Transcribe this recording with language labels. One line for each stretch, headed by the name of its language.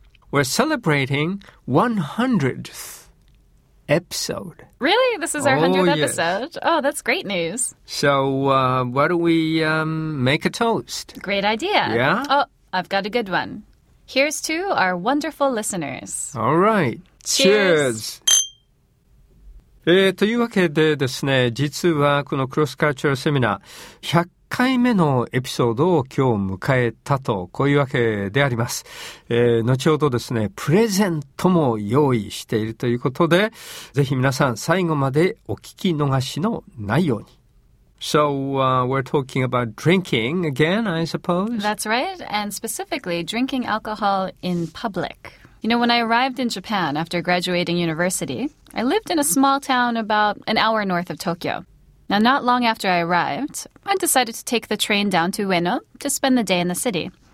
English: We're celebrating 100th episode. Really? This is our 100th episode? Yes. Oh, that's great news. So, why don't we make a toast? Great idea. Yeah? Oh, I've got a good one. Here's to our wonderful listeners. All right. Cheers.
Japanese: というわけでですね、実はこのクロスカルチャーセミナー100回目のエピソードを今日迎えたと、こういうわけであります。後ほどですね、プレゼントも用意しているということで、ぜひ皆さん最後までお聞き逃しのないように。
English: So, we're talking about drinking again, I suppose. That's right, and specifically drinking alcohol in public. You know, when I arrived in Japan after graduating university, I lived in a small town about an hour north of Tokyo. Now, not long after I arrived, I decided to take the train down to Ueno to spend the day in the city.